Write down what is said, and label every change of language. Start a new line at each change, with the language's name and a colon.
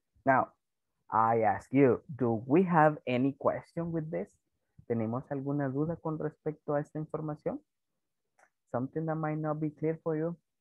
English: Now, I ask you, do we have any question with this?
Spanish: ¿Tenemos alguna duda con respecto a esta información?
English: Something that might not be clear for you?